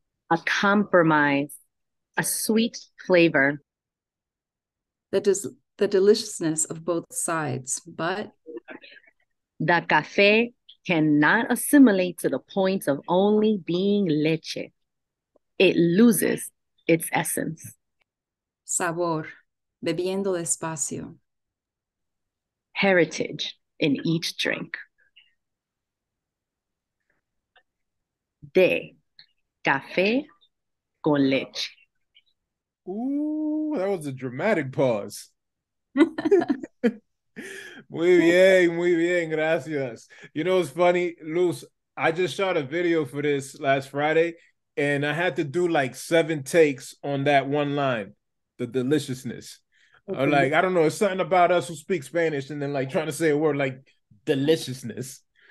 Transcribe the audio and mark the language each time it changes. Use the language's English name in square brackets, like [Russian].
[English] A compromise. A sweet flavor. The deliciousness of both sides, but the café cannot assimilate to the point of only being leche. It loses its essence. [Spanish] Sabor, bebiendo despacio. [English] Heritage in each drink. [Spanish] De café con leche. [English] Ooh, that was a dramatic pause. [Spanish] Muy bien, muy bien, gracias. [English] You know, it's funny, Luz, I just shot a video for this last Friday, and I had to do like 7 takes on that one line, the deliciousness. Okay. Or like, I don't know, it's something about us who speak Spanish and then like trying to say a word like deliciousness.